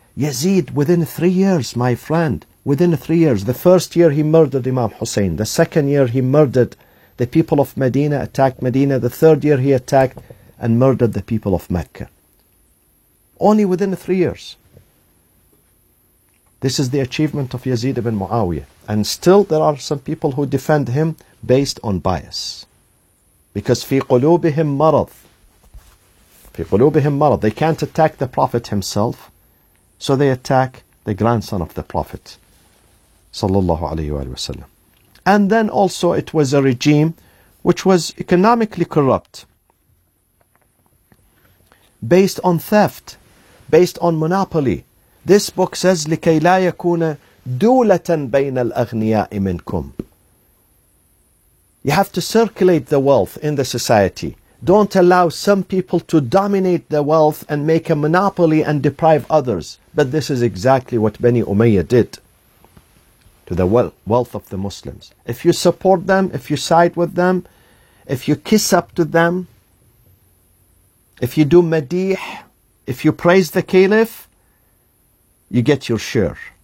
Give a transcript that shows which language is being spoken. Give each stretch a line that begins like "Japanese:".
English: Yazid, within 3 years, my friend, within 3 years, the first year he murdered Imam Hussein, the second year he murdered the people of Medina, attacked Medina, the third year he attacked and murdered the people of Mecca. Only within 3 years. This is the achievement of Yazid ibn Muawiyah. And still there are some people who defend him based on bias. Because
Arabic: في قلوبهم مرض. في قلوبهم مرض.
English: They can't attack the Prophet himself. So they attack the grandson of the Prophet.
Arabic: صلى الله عليه وآله وسلم.
English: And then also it was a regime which was economically corrupt. Based on theft. Based on monopoly. This book says,
Arabic: لِكَيْ لَا يَكُونَ دُولَةً بَيْنَ الْأَغْنِيَاءِ مِنْكُمْ.
English: You have to circulate the wealth in the society. Don't allow some people to dominate the wealth and make a monopoly and deprive others. But this is exactly what Bani Umayyah did to the wealth of the Muslims. If you support them, if you side with them, if you kiss up to them, if you do madih, if you praise the caliph, you get your share.